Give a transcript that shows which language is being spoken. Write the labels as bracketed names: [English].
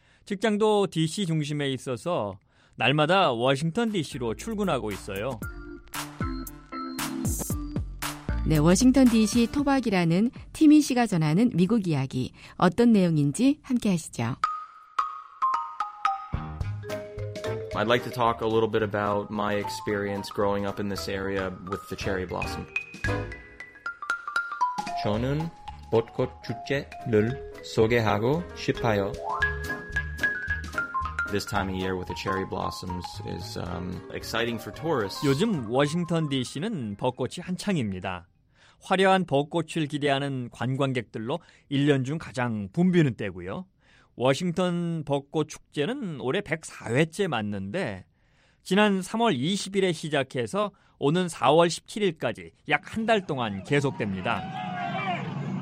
[Korean] 직장도 DC 중심에 있어서 날마다 워싱턴 DC로 출근하고 있어요. 네, 워싱턴 DC 토박이라는 티미 씨가 전하는 미국 이야기. 어떤 내용인지 함께 하시죠. [English] I'd like to talk a little bit about my experience growing up in this area with the cherry blossom. [Korean] 저는 벚꽃 축제를 소개하고 싶어요. [English] This time of year with the cherry blossoms is exciting for tourists. [Korean] 요즘 워싱턴 DC는 벚꽃이 한창입니다. 화려한 벚꽃을 기대하는 관광객들로 1년 중 가장 붐비는 때고요. 워싱턴 벚꽃 축제는 올해 104회째 맞는데 지난 3월 20일에 시작해서 오는 4월 17일까지 약 한 달 동안 계속됩니다.